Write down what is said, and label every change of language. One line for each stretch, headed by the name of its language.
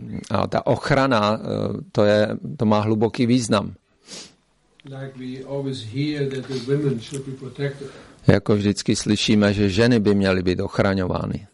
Czech: A ta ochrana, to má hluboký význam.
English: Like we always hear that the women should be protected.
Czech: Jako vždycky slyšíme, že ženy by měly být ochraňovány.